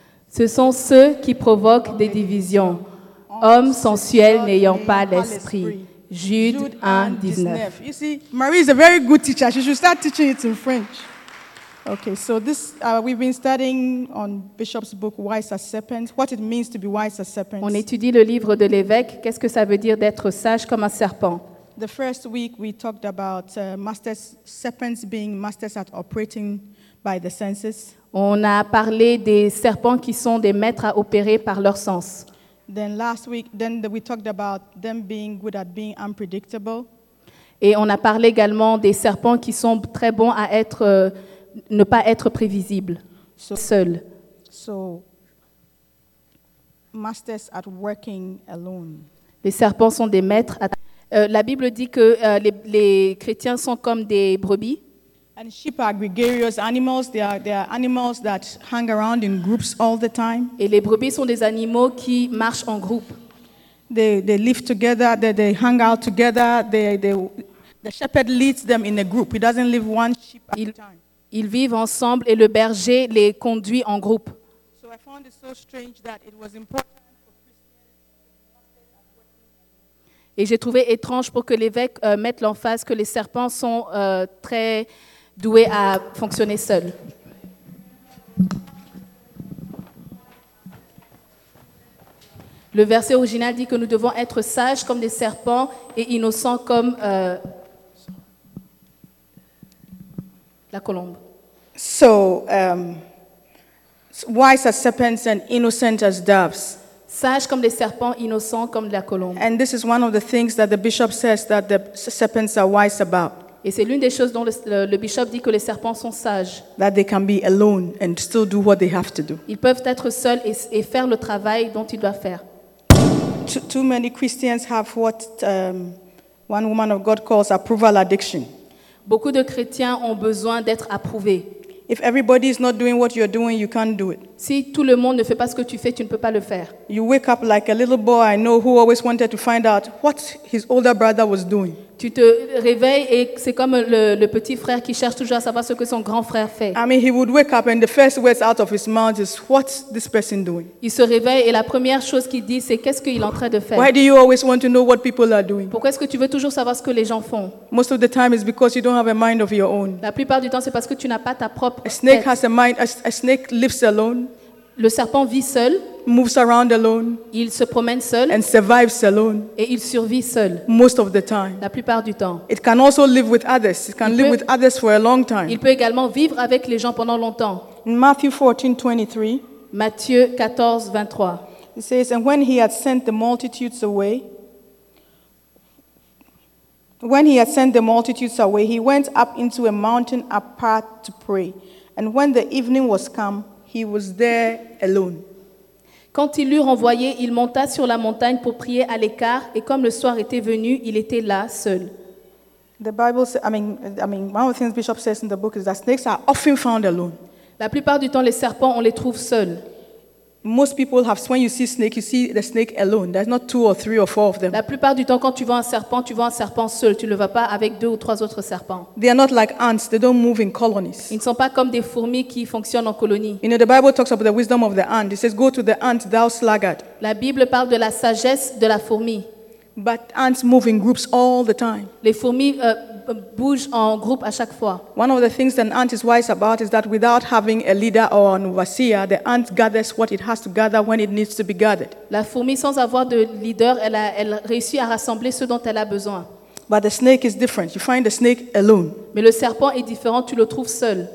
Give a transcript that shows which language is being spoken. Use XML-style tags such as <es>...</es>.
<fr>Ce sont ceux qui provoquent des divisions, hommes sensuels n'ayant pas l'esprit. Jude 1:19.</fr> <en>You see, Marie is a very good teacher. She should start teaching it in French. Okay, so this we've been studying on Bishop's book, Wise as Serpents, what it means to be wise as serpents.</en> <fr>On étudie le livre de l'évêque, qu'est-ce que ça veut dire d'être sage comme un serpent?</fr> <en>The first week we talked about masters, serpents being masters at operating by the senses.</en> <fr>On a parlé des serpents qui sont des maîtres à opérer par leurs sens.</fr> <en>Then last week, then we talked about them being good at being unpredictable.</en> <fr>Et on a parlé également des serpents qui sont très bons à être, ne pas être prévisibles, so, seuls.</fr> <en>So, masters at working alone.</en> <fr>Les serpents sont des maîtres. La Bible dit que les chrétiens sont comme des brebis.</fr> <en>And sheep are gregarious animals. They are animals that hang around in groups all the time.</en> <fr>Et les brebis sont des animaux qui marchent en groupe.</fr> <en>They live together. They hang out together. The shepherd leads them in a group. He doesn't leave one sheep at a time.</en> <fr>Ils vivent ensemble et le berger les conduit en groupe.</fr> <en>So I found it so strange that it was important.</en> <fr>Et j'ai trouvé étrange pour que l'évêque mette l'emphase que les serpents sont très doués à fonctionner seuls. Le verset original dit que nous devons être sages comme des serpents et innocents comme la colombe.</fr> <en>So, wise as serpents and innocent as doves.</en> <fr>Sage comme les serpents, innocents comme la colombe.</fr> <en>And this is one of the things that the bishop says that the serpents are wise about.</en> <fr>Et c'est l'une des choses dont le bishop dit que les serpents sont sages.</fr> <en>That they can be alone and still do what they have to do.</en> <fr>Ils peuvent être seuls et faire le travail dont ils doivent faire.</fr> <en>Too many Christians have what one woman of God calls approval addiction.</en> <fr>Beaucoup de chrétiens ont besoin d'être approuvés.</fr> <en>If everybody is not doing what you're doing, you can't do it.</en> <fr>Si tout le monde ne fait pas ce que tu fais, tu ne peux pas le faire.</fr> <en>You wake up like a little boy I know who always wanted to find out what his older brother was doing.</en> <fr>Tu te réveilles et c'est comme le petit frère qui cherche toujours à savoir ce que son grand frère fait.</fr> <en>I mean, he would wake up and the first words out of his mouth is what's this person doing?</en> <fr>Il se réveille et la première chose qu'il dit c'est qu'est-ce qu'il est en train de faire?</fr> <en>Why do you always want to know what people are doing?</en> <fr>Pourquoi est-ce que tu veux toujours savoir ce que les gens font?</fr> <en>Most of the time it's because you don't have a mind of your own.</en> <fr>La plupart du temps c'est parce que tu n'as pas ta propre tête.</fr> <en>A snake has a mind. A snake lives alone.</en> <fr>Le serpent vit seul.</fr> <en>Moves around alone.</en> <fr>Il se promène seul.</fr> <en>And survives alone.</en> <fr>Et il survit seul.</fr> <en>Most of the time.</en> <fr>La plupart du temps.</fr> <en>It can also live with others. It can live with others for a long time.</en> <fr>Il peut également vivre avec les gens pendant longtemps.</fr> <en>In Matthew 14:23.</en> <fr>Matthieu 14:23.</fr> <en>It says, and when he had sent the multitudes away, he went up into a mountain apart to pray. And when the evening was come, he was there alone.</en> <fr>Quand il l'eut renvoyé, il monta sur la montagne pour prier à l'écart, et comme le soir était venu, il était là, seul.</fr> <en>The Bible says, I mean, one of the things Bishop says in the book is that snakes are often found alone.</en> <fr>La plupart du temps, les serpents, on les trouve seuls.</fr> <en>Most people have, when you see snake, you see the snake alone. There's not two or three or four of them.</en> <fr>La plupart du temps, quand tu vois un serpent, tu vois un serpent seul. Tu ne le vois pas avec deux ou trois autres serpents.</fr> <en>They are not like ants. They don't move in colonies.</en> <fr>Ils ne sont pas comme des fourmis qui fonctionnent en colonie.</fr> <en>You know, the Bible talks about the wisdom of the ant. It says, go to the ant, thou sluggard.</en> <fr>La Bible parle de la sagesse de la fourmi.</fr> <en>But ants move in groups all the time.</en> <fr>Les fourmis bougent en groupe à chaque fois.</fr> <en>One of the things that an ant is wise about is that without having a leader or an overseer, the ant gathers what it has to gather when it needs to be gathered.</en> <fr>La fourmi sans avoir de leader, elle réussit à rassembler ce dont elle a besoin.</fr> <en>But the snake is different. You find the snake alone.</en> <fr>Mais le serpent est différent, tu le trouves seul.</fr>